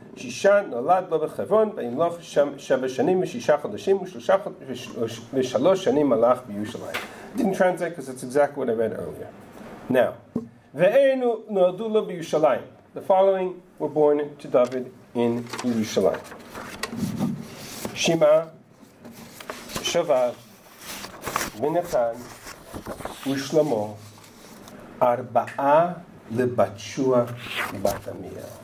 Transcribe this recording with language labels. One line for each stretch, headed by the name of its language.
Hebrew: שישה נולד לו בחברון, וימלוך שם שבע שנים ושישה חודשים, ושלוש שנים מלך בירושלים.
English: Didn't translate because it's exactly what I read earlier.
Hebrew: Now, ואינו נולדו לו בירושלים.
English: The following were born to David in Yerushalayim.
Hebrew: שמעה, שבב, ונתן, ושלמה, ארבעה לבתשוע בת עמיאל.